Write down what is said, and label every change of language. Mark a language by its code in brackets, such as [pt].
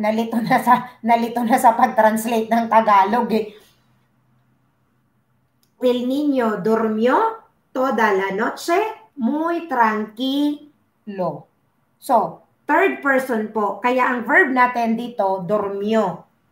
[tl] Nalito na sa pag-translate ng Tagalog eh. [es] El niño durmió toda la noche muy tranquilo. [en] So, third person po. [tl] Kaya ang verb natin dito, durmió.